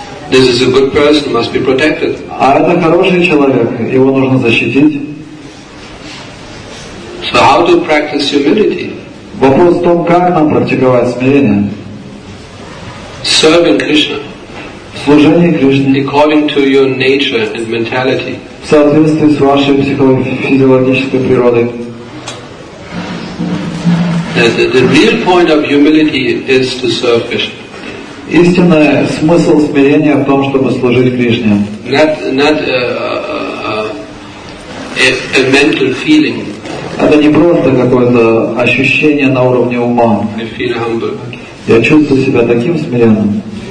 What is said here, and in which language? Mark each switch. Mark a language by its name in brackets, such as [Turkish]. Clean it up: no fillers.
[English] This is a good person, must be protected. [Russian] А это хороший человек, его нужно защитить. [English] So how to practice humility? [Russian] Вопрос в том, как нам практиковать смирение. [English] Serving Krishna. [Russian] Служение Кришне. [English] According to your nature and mentality. [Russian] В соответствии с вашей психофизиологической природой. [English] The real point of humility is to serve Krishna. [Russian] Истинный смысл смирения в том, чтобы служить Кришне. [English] Not a mental feeling. [Russian] Это не просто какое-то ощущение на уровне ума. [English] I feel humble. [Russian] Я чувствую себя таким смиренным.